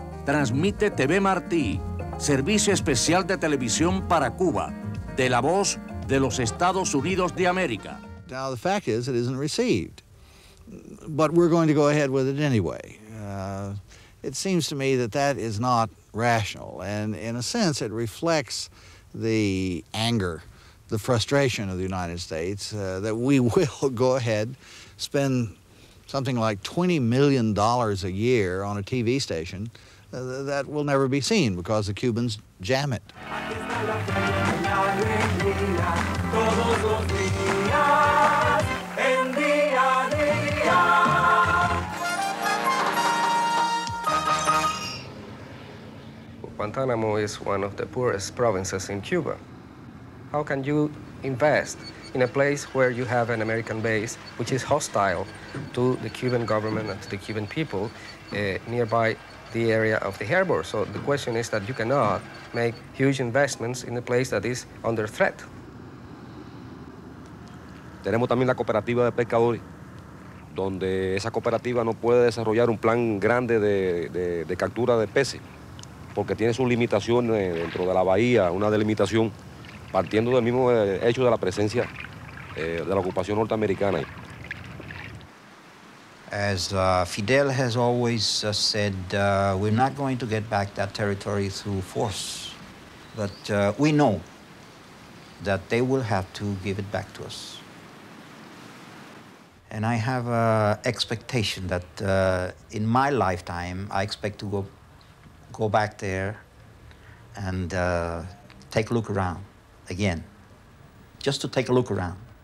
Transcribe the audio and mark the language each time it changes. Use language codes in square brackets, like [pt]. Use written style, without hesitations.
[es] Transmite TV Marti, servicio especial de televisión para Cuba, de la voz de los Estados Unidos de América. [en] Now, the fact is, it isn't received. But we're going to go ahead with it anyway. It seems to me that that is not rational. And in a sense, it reflects the anger, the frustration of the United States, that we will go ahead, spend something like $20 million a year on a TV station that will never be seen because the Cubans jam it. Guantanamo is one of the poorest provinces in Cuba. How can you invest in a place where you have an American base which is hostile to the Cuban government and to the Cuban people nearby the area of the harbor? So the question is that you cannot make huge investments in a place that is under threat. [es] Tenemos también la cooperativa de pescadores, donde esa cooperativa no puede desarrollar un plan grande de captura de peces, porque tiene sus limitaciones dentro de la bahía, una delimitación, partiendo del mismo hecho de la presencia de la ocupación norteamericana. [en] As Fidel has always said, we're not going to get back that territory through force, but we know that they will have to give it back to us. And I have an expectation that in my lifetime, I expect to go back there and take a look around again, just to take a look around.